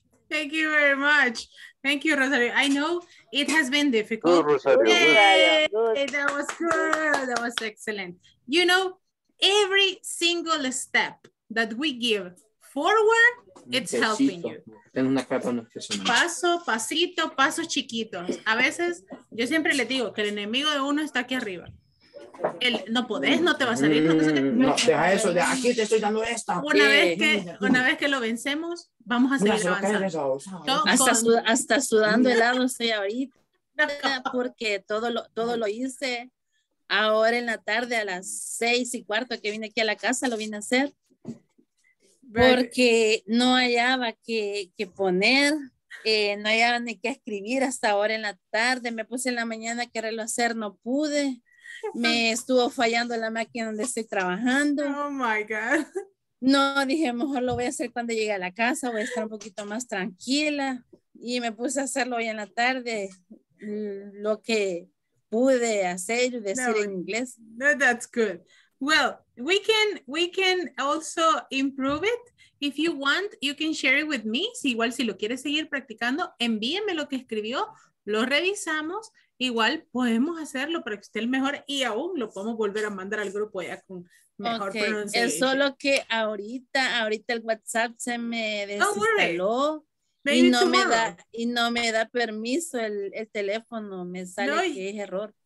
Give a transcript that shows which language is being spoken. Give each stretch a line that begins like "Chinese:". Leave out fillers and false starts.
English: Thank you very much. Thank you, Rosario. I know it has been difficult. Good, Rosario. Yay! Good. That was good. That was excellent. You know, every single step that we give forward, it's helping you.
Spanish: Paso, pasito, paso chiquito. A veces, yo siempre le digo que el enemigo de uno está aquí arriba. El, no podés, no te va a salir. No, deja eso, de aquí te estoy dando esta. Una vez que lo vencemos, vamos a seguir avanzando. Hasta sudando helado estoy ahorita. Porque todo lo hice ahora en la tarde a las 6:15 que vine aquí a la casa, lo vine a hacer. Porque no hallaba que poner, no hallaba ni qué escribir hasta ahora en la tarde. Me puse en la mañana a quererlo hacer, no pude. Me estuvo fallando la máquina donde estoy trabajando.
English: Oh my God.
Spanish: No, dije, mejor lo voy a hacer cuando llegue a la casa, voy a estar un poquito más tranquila. Y me puse a hacerlo hoy en la tarde, lo que pude hacer y decir en inglés.
English: No, that's good. Well, we can also improve it. If you want, you can share it with me.
Spanish: Si igual si lo quieres seguir practicando, envíeme lo que escribió, lo revisamos. Igual podemos hacerlo para que esté el mejor y aún lo podemos volver a mandar al grupo ya con mejor pronunciación. Es solo que ahorita el WhatsApp se me desinstaló y no me da permiso el teléfono, me sale no, que es error.